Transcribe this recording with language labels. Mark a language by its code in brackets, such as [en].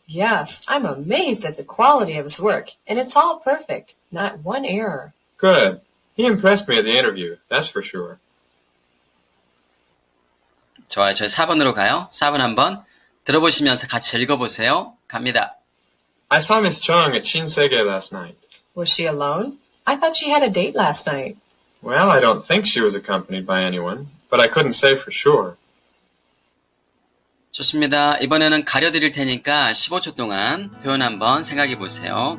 [en] Yes, I'm amazed at the quality of his work, and it's all perfect, not one error. Good. He impressed me at the interview, that's for sure. [ko] 좋아요, 저희 4번으로 가요. 4번 한번 들어보시면서 같이 읽어보세요. 갑니다. [en] I saw Miss Chung at Shinsegae last night. Was she alone? I thought she had a date last night. Well, I don't think she was accompanied by anyone, but I couldn't say for sure. [ko] 좋습니다. 이번에는 가려드릴 테니까 15초 동안 표현 한번 생각해 보세요.